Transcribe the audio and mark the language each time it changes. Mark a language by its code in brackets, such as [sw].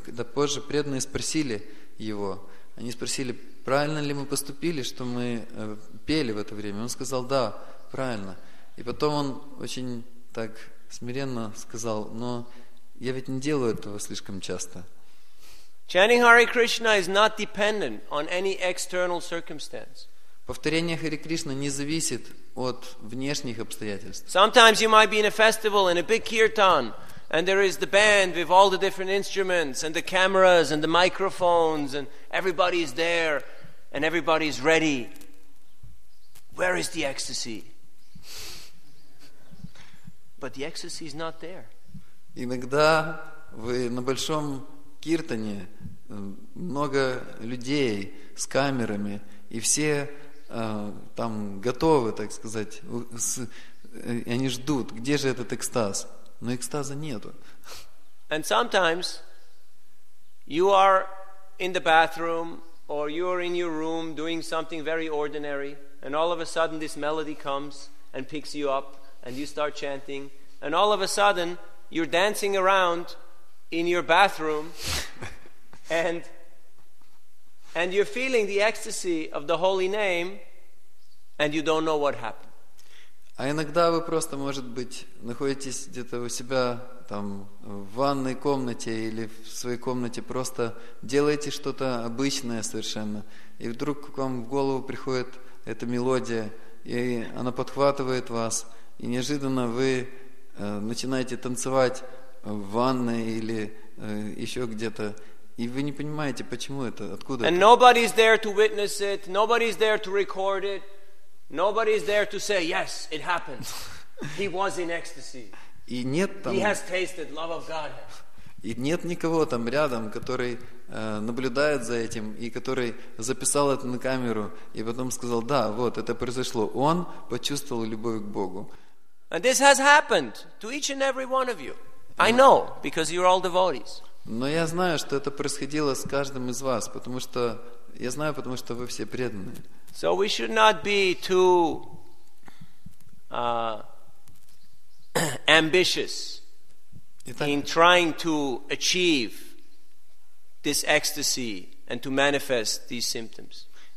[ru] Когда позже преданные спросили его, они спросили, правильно ли мы поступили, что мы пели в это время. Он сказал, да, правильно. И потом он очень так смиренно сказал, но я ведь не делаю этого слишком часто. [en] Chanting Hare Krishna is not dependent on any external circumstance. [ru] Повторение Хари Кришны не зависит от внешних обстоятельств. [en] Sometimes you might be in a festival in a big kirtan, and there is the band with all the different instruments and the cameras and the microphones, and everybody is there, and everybody is ready. Where is the ecstasy? But the ecstasy is not there. [ru] Иногда вы на большом киртане, много людей с камерами, и все там готовы, так сказать, и они ждут, где же этот экстаз, но экстаза нету. [en] And sometimes you are in the bathroom or you are in your room doing something very ordinary, and all of a sudden this melody comes and picks you up and you start chanting, and all of a sudden you're dancing around in your bathroom, and you're feeling the ecstasy of the holy name, and you don't know what happened. [ru] А иногда вы просто, может быть, находитесь где-то у себя там в ванной комнате или в своей комнате, просто делаете что-то обычное совершенно, и вдруг к вам в голову приходит эта мелодия, и она подхватывает вас, и неожиданно вы начинаете танцевать в ванной или еще где-то, и вы не понимаете, почему это, откуда. [en] And nobody's there to witness it, nobody's there to record it, nobody's there to say, yes, it happened. He was in ecstasy. [ru] И нет там. [en] He has tasted love of Godhead. [ru] И нет никого там рядом, который наблюдает за этим и который записал это на камеру и потом сказал, да, вот это произошло. Он почувствовал любовь к Богу. [en] And this has happened to each and every one of you. I know, because you're all devotees. [ru] Но я знаю, что это происходило с каждым из вас, потому что я знаю, потому что вы все преданные. [en] So we should not be too ambitious in trying to achieve this ecstasy and to manifest these symptoms.